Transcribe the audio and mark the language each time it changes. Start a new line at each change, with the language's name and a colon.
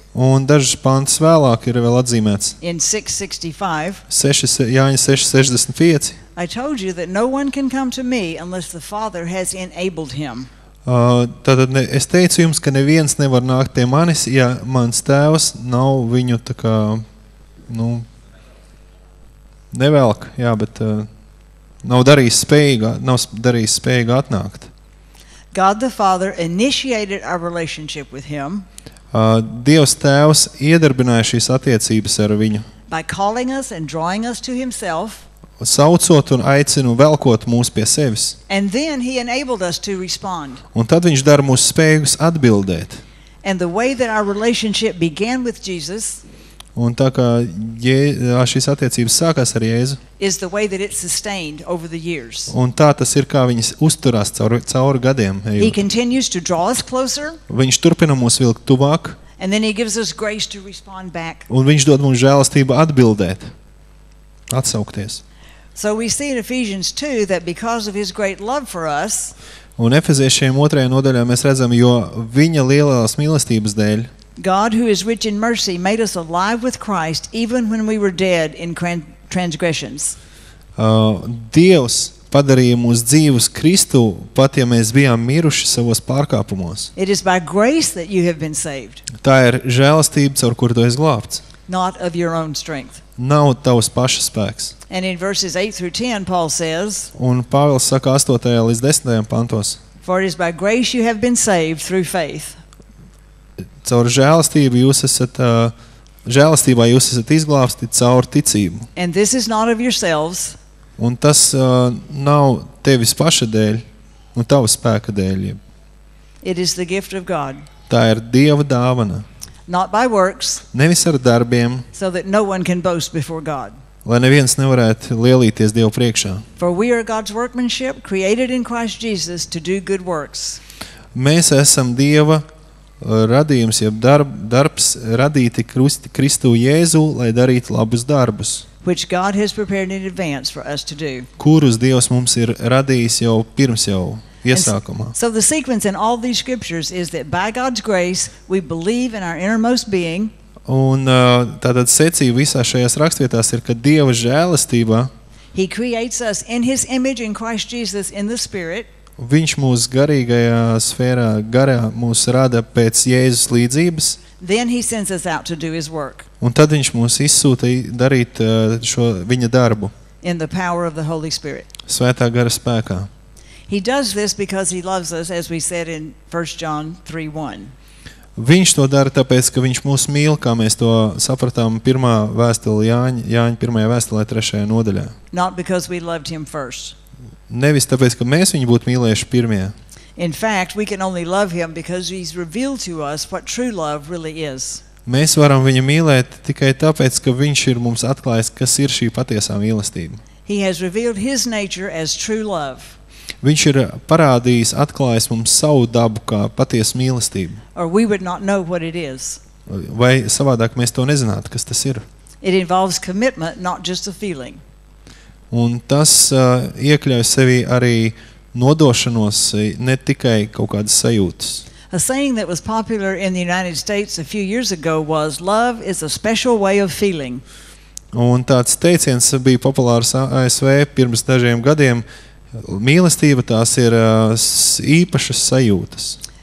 Latvian: Un dažas pants vēlāk ir vēl atzīmēts.
English: In 6:65.
Latvian: Jāņa 6:65.
English: I told you that no one can come to me unless the Father has enabled him.
Latvian: Tātad es teicu jums, ka neviens nevar nākt pie manis, ja mans Tēvs nav viņu tā kā, nu, nevelk, jā, bet nav darījis spējīgu atnākt.
English: God the Father initiated our relationship with him.
Latvian: Dievs Tēvs iedarbināja šīs attiecības ar viņu.
English: By calling us and drawing us to himself.
Latvian: Saucot un aicinu velkot mūs pie sevis.
English: And then he enabled us to respond.
Latvian: Un tad viņš dar mūs spējīgus atbildēt.
English: And the way that our relationship began with Jesus.
Latvian: Un tā kā šīs attiecības sākās ar Jēzu.
English: Is the way that it sustained over the years.
Latvian: Un tā tas ir, kā viņas uzturās cauri gadiem.
English: He continues to draw us closer.
Latvian: Viņš turpina mūs vilkt tuvāk.
English: And then he gives us grace to respond back.
Latvian: Un viņš dod mums žēlastību atbildēt. Atsaukties.
English: So we see in Ephesians 2 that because of his great love for us.
Latvian: Un Efeziešiem 2. Nodaļā mēs redzam, jo viņa lielās mīlestības dēļ.
English: God who is rich in mercy made us alive with Christ even when we were dead in transgressions.
Latvian: Dievs padarīja mūs dzīvus Kristu, pat ja mēs bijām miruši savos pārkāpumos.
English: It is by grace that you have been saved.
Latvian: Tā ir žēlastība, caur kuru tu esi glābts.
English: Not of your own strength.
Latvian: Nav tavs paša spēks.
English: And in verses 8 through 10 Paul says.
Latvian: Un Pāvils saka 8. Līdz 10. Pantos.
English: For it is by grace you have been saved through faith.
Latvian: Caur žēlastību jūs esat žēlastībā jūs esat izglābti caur ticību.
English: And this is not of yourselves.
Latvian: Un tas nav tevis paša dēļ, un tava spēka dēļ.
English: It is the gift of God.
Latvian: Tā ir Dieva dāvana.
English: Not by works.
Latvian: Nevis ar darbiem.
English: So that no one can boast before God.
Latvian: Lai neviens nevarētu lielīties Dieva priekšā.
English: For we are God's workmanship created in Christ Jesus to do good works.
Latvian: Mēs esam Dieva radījums, jeb darbs radīti Kristu Jēzu, lai darītu labus darbus.
English: Which God has prepared in advance for us to do.
Latvian: Kurus Dievs mums ir radījis jau pirms jau iesākumā.
English: So the sequence in all these scriptures is that by God's grace we believe in our innermost being.
Latvian: Un tātad secība visā šajās rakstvietās ir, ka Dieva žēlastība.
English: He creates us in his image in Christ Jesus in the spirit.
Latvian: Viņš mūs garīgajā sfērā, garā mūs rada pēc Jēzus līdzības.
English: Then he sends us out to do his work.
Latvian: Un tad viņš mūs izsūta darīt šo viņa darbu.
English: In the power of the Holy Spirit.
Latvian: Svētā gara spēkā.
English: He does this because he loves us as we said in 1 John 3:1.
Latvian: Viņš to dara tāpēc, ka viņš mūs mīl, kā mēs to sapratām pirmā vēstule Jāņa pirmajā vēstulē 3. Nodaļā.
English: Not because we loved him first.
Latvian: Nevis tāpēc, ka mēs viņu būtu mīlējuši pirmie.
English: In fact, we can only love him because he's revealed to us what true love really is.
Latvian: Mēs varam viņu mīlēt tikai tāpēc, ka viņš ir mums atklājis, kas ir šī patiesā mīlestība.
English: He has revealed his nature as true love.
Latvian: Viņš ir parādījis, atklājis mums savu dabu kā patiesu mīlestību.
English: Or we would not know what it is.
Latvian: Vai savādāk mēs to nezinātu, kas tas ir.
English: It involves commitment, not just a feeling.
Latvian: Un tas iekļauj sevi arī nodošanos, ne tikai kaut kādas sajūtas.
English: A saying that was popular in the United States a few years ago was love is a special way of feeling.
Latvian: Un tāds teiciens bija populārs ASV pirms dažiem gadiem. Mīlestība tās ir īpašas sajūtas.